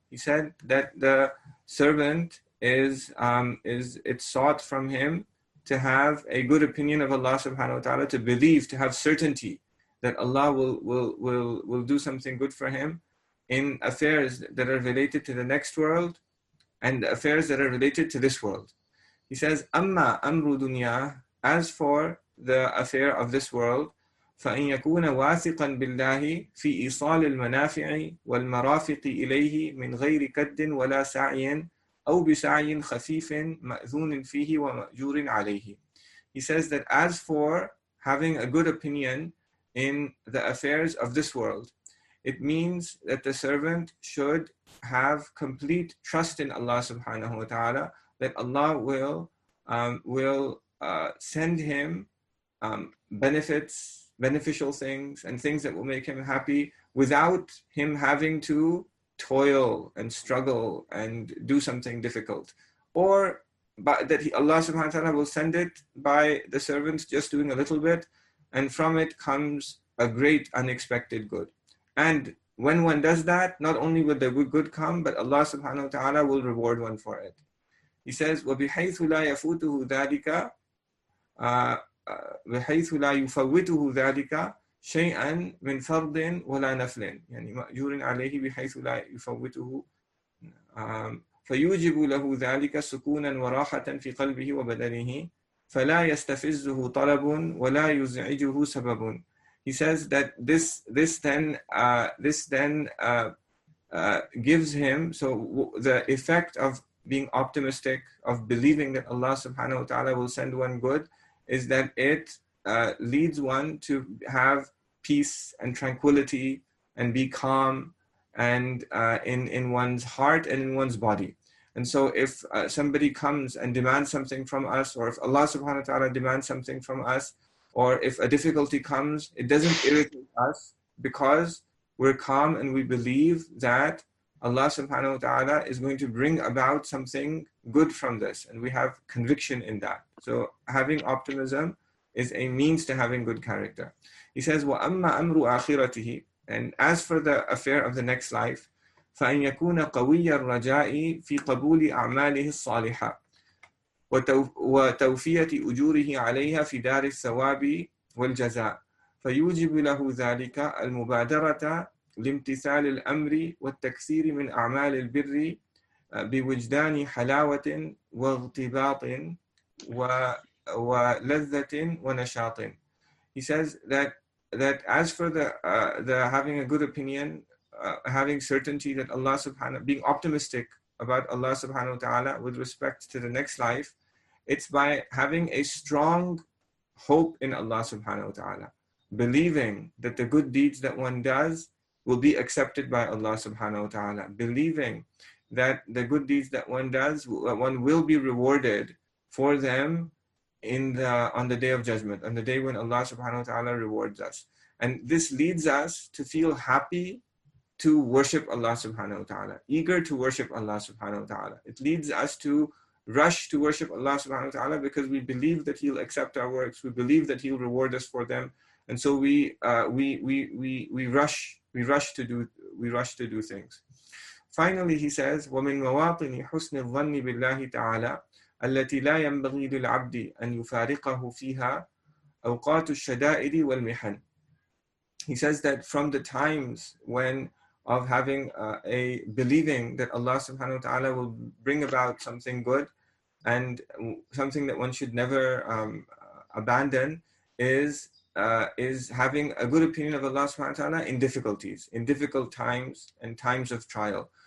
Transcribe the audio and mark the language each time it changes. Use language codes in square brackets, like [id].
[en] He said that the servant is sought from him to have a good opinion of Allah subhanahu wa ta'ala, to believe, to have certainty that Allah will do something good for him in affairs that are related to the next world and affairs that are related to this world. He says, [ar] "Amma amru dunya," [en] as for the affair of this world, [ar] فَإِنْ يَكُونَ وَاثِقًا بِاللَّهِ فِي إِصَالِ الْمَنَافِعِ وَالْمَرَافِقِ إِلَيْهِ مِنْ غَيْرِ كَدٍّ وَلَا سَعْيٍ أَوْ بِسَعْيٍ خَفِيفٍ مَأْذُونٍ فِيهِ وَمَأْجُورٍ عَلَيْهِ. [en] He says that as for having a good opinion in the affairs of this world, it means that the servant should have complete trust in Allah subhanahu wa ta'ala, that Allah will send him benefits, beneficial things, and things that will make him happy without him having to toil and struggle and do something difficult. Or that Allah subhanahu wa ta'ala will send it by the servants just doing a little bit, and from it comes a great unexpected good. And when one does that, not only will the good come, but Allah subhanahu wa ta'ala will reward one for it. He says, [ar] وَبِحَيْثُ لَا يَفُوتُهُ ذَلِكَ بحيث لا يفوته ذلك شيئا من فرض ولا نفل يعني مأجور عليه بحيث لا يفوته فيوجب له ذلك سكونا وراحة في قلبه وبدنه فلا يستفزه طلب ولا يزعجه سبب. [en] He says that gives him, so the effect of being optimistic, of believing that Allah subhanahu wa ta'ala will send one good, is that it leads one to have peace and tranquility and be calm and in one's heart and in one's body. And so if somebody comes and demands something from us, or if Allah subhanahu wa ta'ala demands something from us, or if a difficulty comes, it doesn't irritate us because we're calm and we believe that Allah subhanahu wa ta'ala is going to bring about something good from this, and we have conviction in that. So having optimism is a means to having good character. He says, [ar] wa amma amru akhiratihi, [en] and as for the affair of the next life, [ar] فَأَنْ يَكُونَ قَوِيَّ الرَّجَاءِ فِي قَبُولِ أَعْمَالِهِ الصَّالِحَةِ وَتَوْفِيَةِ أُجُورِهِ عَلَيْهَا فِي دَارِ الثَّوَابِ وَالْجَزَاءِ فَيُوجِبُ لَهُ ذَلِكَ الْمُبَادَرَةَ لِامْتِثَالِ الْأَمْرِ وَالتَّكْثِيرِ مِنْ أَعْمَالِ الْبِرِّ بِوِجْدَانِ حَلَاوَةٍ وَاغْتِبَاطٍ وَلَذَّةٍ وَنَشَاطٍ. [en] He says that as for the having a good opinion, having certainty that Allah subhanahu, being optimistic about Allah subhanahu wa ta'ala with respect to the next life, it's by having a strong hope in Allah subhanahu wa ta'ala, believing that the good deeds that one does will be accepted by Allah subhanahu wa ta'ala, believing that the good deeds that one does, one will be rewarded for them on the day of judgment, on the day when Allah subhanahu wa ta'ala rewards us. And this leads us to feel happy to worship Allah subhanahu wa ta'ala, eager to worship Allah subhanahu wa ta'ala. It leads us to rush to worship Allah subhanahu wa ta'ala because we believe that He'll accept our works, we believe that He'll reward us for them, and so we rush to do things. Finally, he says, [ar] وَمِنْ مَوَاطِنِ حُسْنِ الظَّنِّ بِاللَّهِ تَعَالَى الَّتِي لَا يَنْبَغِي لِلْعَبْدِ أَنْ يُفَارِقَهُ فِيهَا أَوْقَاتُ الشَّدَائِدِ وَالْمِحَنِ. [en] He says that from the times when of having a believing that Allah subhanahu wa ta'ala will bring about something good and something that one should never abandon is having a good opinion of Allah subhanahu wa ta'ala in difficulties, in difficult times and times of trial.